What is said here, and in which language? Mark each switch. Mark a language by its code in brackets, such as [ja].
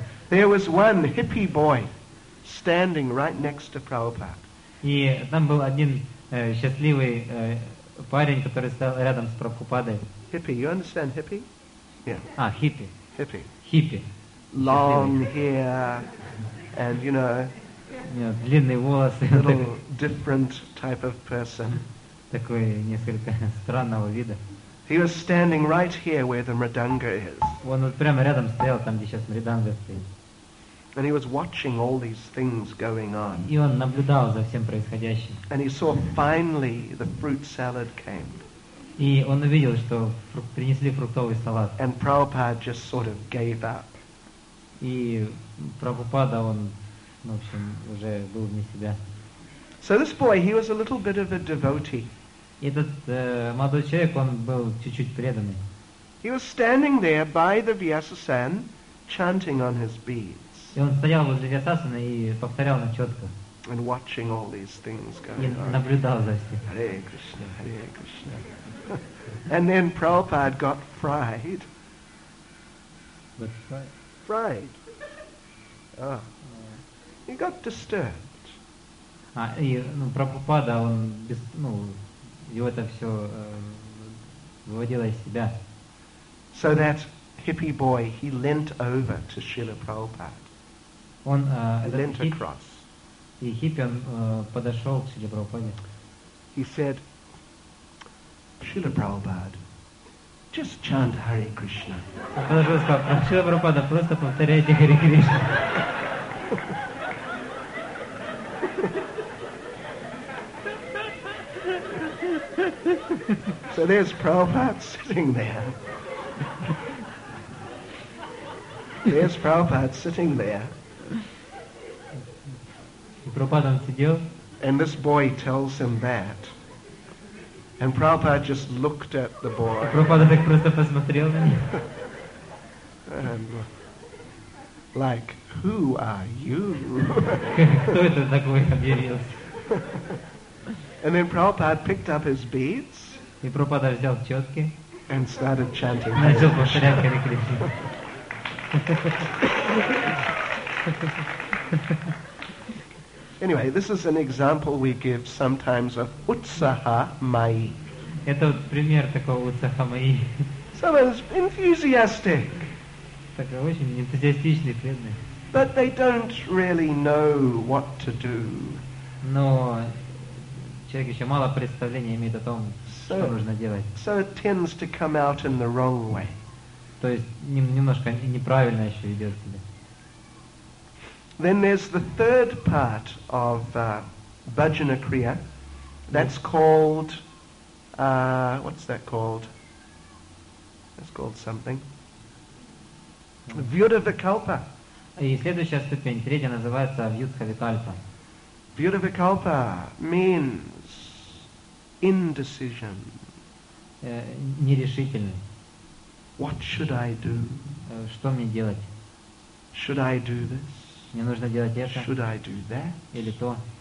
[en] There was one hippie boy standing right next to Prabhupada. [ru] И там был один счастливый парень, который стоял рядом с Прабхупадой. [en] Hippie, you understand hippie? Yeah. [ru] А, hippie. [en] Hippie. Hippie. Long hair and, you know, [ru] длинные волосы. [en] Little different type of person. [ru] Такой несколько странного вида. [en] He was standing right here where the mridanga is. [ru] Он вот прямо рядом стоял, там, где сейчас мриданга стоит. [en] And he was watching all these things going on. [ru] И он наблюдал за всем происходящим. [en] And he saw finally the fruit salad came. [ru] И он увидел, что принесли фруктовый салат. [en] And Prabhupada just sort of gave up. [ru] И Прабхупада, он, в общем, уже был вне себя. [en] So this boy, he was a little bit of a devotee. [ru] И этот молодой человек, он был чуть-чуть преданный. [en] He was standing there by the Vyasasan, chanting on his beads. [ru] И он стоял возле Вьясасаны и повторял на четко. [en] And watching all these things going on. [ru] И наблюдал за всем. [en] Hare Krishna, Hare Krishna. And then Prabhupada got fried. But fried? Fried. Oh. He got disturbed. [ru] А, и, ну, Прабхупада, он без, ну, его это все выводило из себя. [en] So that hippie boy, he leant over to Srila Prabhupada. [ru] Он [en] leant across. [ru] И хиппи, он подошел к Шриле Прабхупаде. [en] He said, Шрила Прабхупада, just chant Hare Krishna. [ru] Он подошел и сказал, Шрила Прабхупада, просто повторяйте Hare Krishna. [en] So there's Prabhupada sitting there. There's Prabhupada sitting there. [ru] Прабхупада он сидел. [en] And this boy tells him that. And Prabhupada just looked at the boy. [ru] Прабхупада так просто посмотрел на него. [en] And like, who are you? [ru] Кто это такой объявился? [en] And then Prabhupada picked up his beads. [ru] И Прабхупада взял четки. [en] And started chanting. [ru] Начал повторять Харе Кришна. [en] Anyway, this is an example we give sometimes of utsaha mai. [ru] Это вот пример такого утсаха мои. [en] Someone's enthusiastic. [ru] Такой очень энтузиастичный преданный. [en] But they don't really know what to do. [ru] Но человек еще мало представления имеет о том, что нужно делать. [en] So it tends to come out in the wrong way. [ru] То есть немножко неправильно еще идет себя. [en] Then there's the third part of bhajana kriya. That's called what's that called? That's called something. Vyudhavikalpa. [ru] И следующая ступень, третья, называется Vyudhavikalpa. [en] Vyudhavikalpa means indecision. [ru] Нерешительный. [en] What should I do? [ru] Что мне делать? [en] Should I do this? [ru] Мне нужно делать это. [en] Should I do that? [ru] Или то.